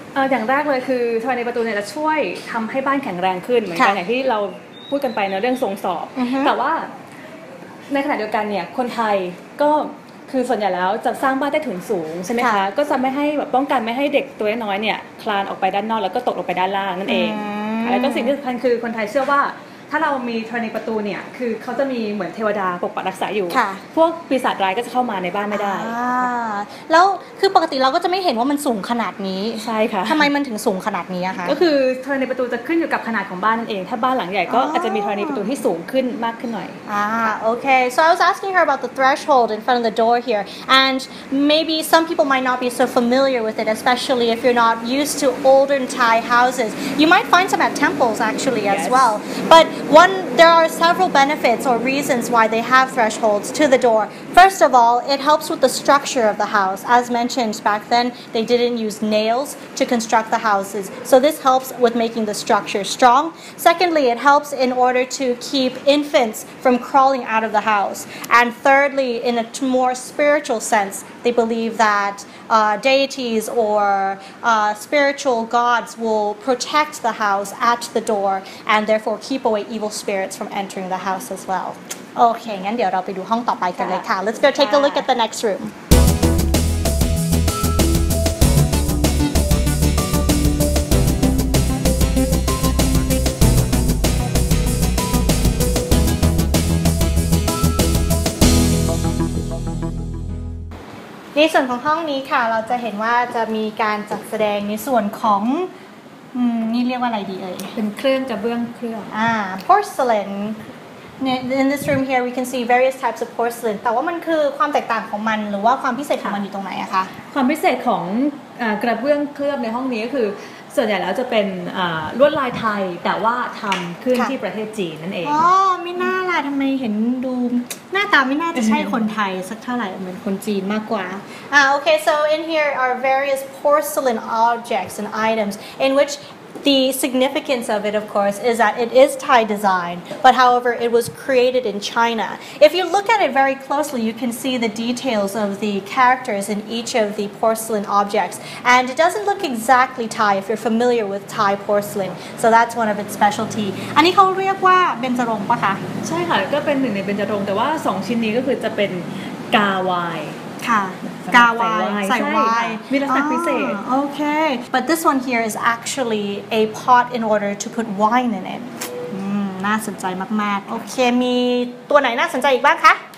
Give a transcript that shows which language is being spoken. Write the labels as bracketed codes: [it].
[th] อย่างแรกเลยคือธรณีประตูเนี่ยจะช่วยทำให้บ้านแข็งแรงขึ้นเหมือนกันอย่างที่เราพูดกันไปเนาะเรื่องทรงสอบแต่ว่าในขณะเดียวกันเนี่ยคนไทยก็คือส่วนใหญ่แล้วจะสร้างบ้านใต้ถุนสูงใช่ไหมคะก็จะไม่ให้แบบป้องกันไม่ให้เด็กตัวน้อยเนี่ยคลานออกไปด้านนอกแล้วก็ตกลงไปด้านล่างนั่นเองแล้วก็สิ่งที่สำคัญคือคนไทยเชื่อว่าถ้าเรามีธรณีประตูเนี่ยคือเขาจะมีเหมือนเทวดาปกปักรักษาอยู่ พวกปีศาจร้ายก็จะเข้ามาในบ้านไม่ได้ แล้วคือปกติเราก็จะไม่เห็นว่ามันสูงขนาดนี้ใช่ค่ะ ทำไมมันถึงสูงขนาดนี้คะ ก็คือธรณีประตูจะขึ้นอยู่กับขนาดของบ้านนั่นเองถ้าบ้านหลังใหญ่ก็อาจจะมีธรณีประตูที่สูงขึ้นมากขึ้นหน่อย [en] โอเค so I was asking her about the threshold in front of the door here and maybe some people might not be so familiar with it especially if you're not used to older Thai houses you might find some at temples actually as well butThere are several benefits or reasons why they have thresholds to the door. First of all, it helps with the structure of the house. As mentioned back then, they didn't use nails to construct the houses. So this helps with making the structure strong. Secondly, it helps in order to keep infants from crawling out of the house. And thirdly, in a more spiritual sense, they believe that deities or spiritual gods will protect the house at the door and therefore keep away evil spirits from entering the house as well. [th] Okay, งั้นเดี๋ยวเราไปดูห้องต่อไปกันเลยค่ะ [en] Let's go take a look at the next room. [th] ในส่วนของห้องนี้ค่ะเราจะเห็นว่าจะมีการจัดแสดงในส่วนของนี่เรียกว่าอะไรดีเอ่ย เป็นเครื่องกระเบื้องเครื่อง [en] porcelain in this room here we can see various types of porcelain [th] แต่ว่ามันคือความแตกต่างของมันหรือว่าความพิเศษของมันอยู่ตรงไหนอะคะ ความพิเศษของกระเบื้องเครื่องในห้องนี้ก็คือส่วนใหญ่แล้วจะเป็นลวดลายไทยแต่ว่าทำขึ้นที่ประเทศจีนนั่นเอง อ๋อไม่น่าล่ะทำไมเห็นดูหน้าตาไม่น่าจะใช่คนไทยสักเท่าไหร่เหมือนคนจีนมากกว่า [en] โอเค so in here are various porcelain objects and items in which The significance of it, of course, is that it is Thai design, but however, it was created in China. If you look at it very closely, you can see the details of the characters in each of the porcelain objects, and it doesn't look exactly Thai if you're familiar with Thai porcelain, so that's one of its specialty. [th] อันนี้เขาเรียกว่าเบญจรงค์ป่ะคะ ใช่ค่ะก็เป็นหนึ่งในเบญจรงค์แต่ว่าสองชิ้นนี้ก็คือจะเป็นกาวาย ค่ะกาวาย ใส่วายมีลักษณะพิเศษ [en] โอเค but this one here is actually a pot in order to put wine in it [th] น่าสนใจมากๆโอเคมีตัวไหนน่าสนใจอีกบ้างคะ